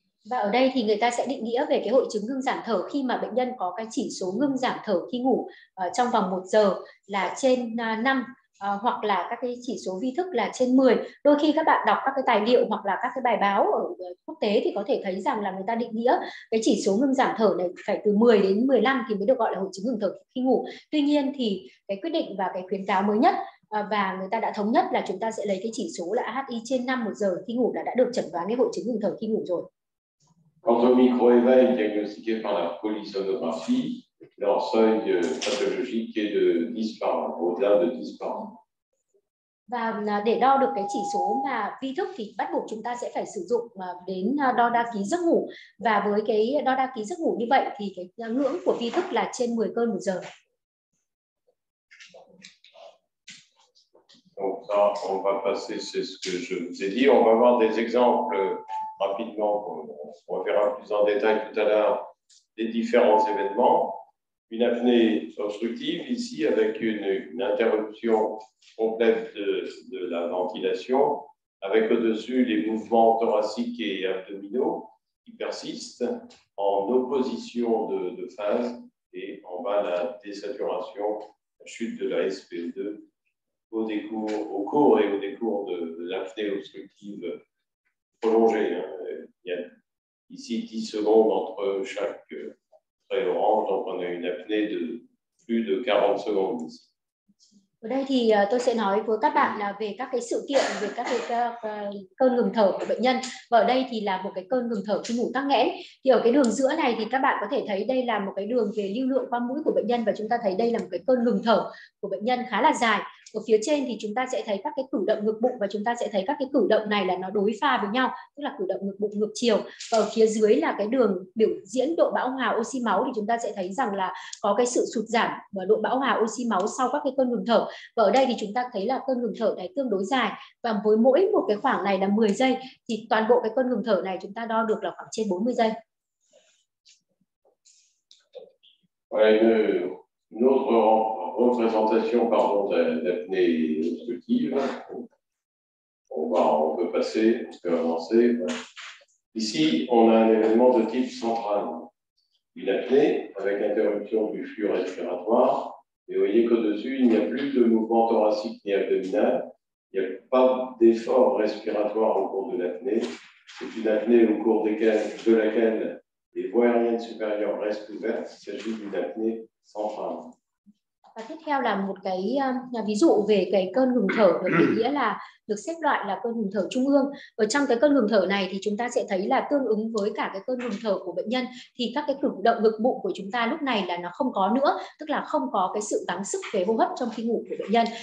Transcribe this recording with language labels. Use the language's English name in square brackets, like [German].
[Vietnamese] Và ở đây thì người ta sẽ định nghĩa về cái hội chứng ngưng giảm thở khi mà bệnh nhân có cái chỉ số ngưng giảm thở khi ngủ trong vòng 1 giờ là trên 5, hoặc là các cái chỉ số vi thức là trên 10. Đôi khi các bạn đọc các cái tài liệu hoặc là các cái bài báo ở quốc tế thì có thể thấy rằng là người ta định nghĩa cái chỉ số ngưng giảm thở này phải từ 10 đến 15 thì mới được gọi là hội chứng ngừng thở khi ngủ. Tuy nhiên thì cái quyết định và cái khuyến cáo mới nhất và người ta đã thống nhất là chúng ta sẽ lấy cái chỉ số là AHI trên 5 1 giờ khi ngủ là đã được chẩn đoán cái hội chứng ngừng thở khi ngủ rồi. [French] Quant aux micro-éveils diagnostiqués par la polysomnographie, leur seuil pathologique est de 10 par heure, au-delà de 10 par heure. [Vietnamese] Và để đo được cái chỉ số mà vi thức thì bắt buộc chúng ta sẽ phải sử dụng đến đo đa ký giấc ngủ. Và với cái đo đa ký giấc ngủ như vậy thì cái ngưỡng của vi thức là trên 10 cơn một giờ. [French] Donc ça, on va passer, c'est ce que je vous ai dit. On va voir des exemples rapidement, on verra plus en détail tout à l'heure les différents événements. Une apnée obstructive ici avec une interruption complète de la ventilation, avec au-dessus les mouvements thoraciques et abdominaux qui persistent en opposition de phase et en bas la désaturation, la chute de la SpO2 au cours de l'apnée obstructive prolongée. Hein. Il y a ici 10 secondes entre chaque trait orange, donc on a une apnée de plus de 40 secondes ici. [Vietnamese] Ở đây thì tôi sẽ nói với các bạn là về các cái sự kiện về các cái cơn ngừng thở của bệnh nhân. Và ở đây thì là một cái cơn ngừng thở khi ngủ tắc nghẽn. Thì ở cái đường giữa này thì các bạn có thể thấy đây là một cái đường về lưu lượng qua mũi của bệnh nhân, và chúng ta thấy đây là một cái cơn ngừng thở của bệnh nhân khá là dài. Ở phía trên thì chúng ta sẽ thấy các cái cử động ngược bụng, và chúng ta sẽ thấy các cái cử động này là nó đối pha với nhau, tức là cử động ngược bụng ngược chiều. Và ở phía dưới là cái đường biểu diễn độ bão hòa oxy máu, thì chúng ta sẽ thấy rằng là có cái sự sụt giảm và độ bão hòa oxy máu sau các cái cơn ngừng thở. Và ở đây thì chúng ta thấy là cơn ngừng thở này tương đối dài, và với mỗi một cái khoảng này là 10 giây thì toàn bộ cái cơn ngừng thở này chúng ta đo được là khoảng trên 40 giây. [French] Une autre représentation pardon de l'apnée obstructive. On peut passer, on peut avancer. Ici, on a un événement de type central. Une apnée avec interruption du flux respiratoire. Et vous voyez qu'au-dessus, il n'y a plus de mouvement thoracique ni abdominal. Il n'y a pas d'effort respiratoire au cours de l'apnée. C'est une apnée au cours de laquelle les voies aériennes supérieures restent ouvertes. Il s'agit d'une apnée sans frein. [Vietnamese] Và tiếp theo là một cái ví dụ về cái cơn ngừng thở được định nghĩa là được xếp loại là cơn ngừng thở trung ương. Ở trong cái cơn ngừng thở này thì chúng ta sẽ thấy là tương ứng với cả cái cơn ngừng thở của bệnh nhân thì các cái cử động ngực bụng của chúng ta lúc này là nó không có nữa, tức là không có cái sự gắng sức về hô hấp trong khi ngủ của bệnh nhân.